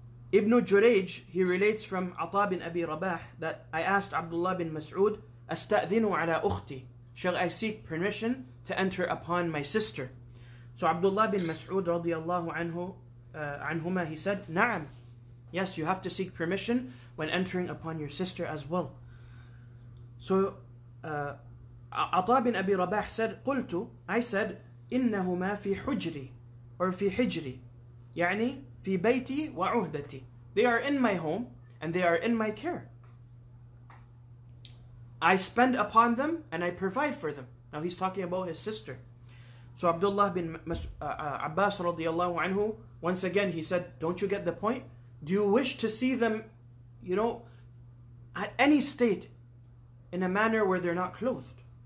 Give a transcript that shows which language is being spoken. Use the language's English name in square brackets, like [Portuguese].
[English] Ibn Jurayj, he relates from Ata bin Abi Rabah that I asked Abdullah bin Mas'ud, [Arabic] أَسْتَأْذِنُ عَلَىٰ أُخْتِي, [English] shall I seek permission to enter upon my sister? So Abdullah bin Mas'ud radiallahu anhu, anhuma, he said, [Arabic] نعم, [English] yes, you have to seek permission when entering upon your sister as well. So Ata bin Abi Rabah said, [Arabic] قُلْتُ, [English] I said, [Arabic] إِنَّهُمَا فِي حُجْرِي, [English] or [Arabic] فِي حِجْرِي, يعني فِي بَيْتِي وَعُهْدَتِي. [English] They are in my home and they are in my care. I spend upon them and I provide for them. Now he's talking about his sister. So Abdullah bin Abbas radiallahu anhu, once again he said, don't you get the point? Do you wish to see them, you know, at any state in a manner where they're not clothed?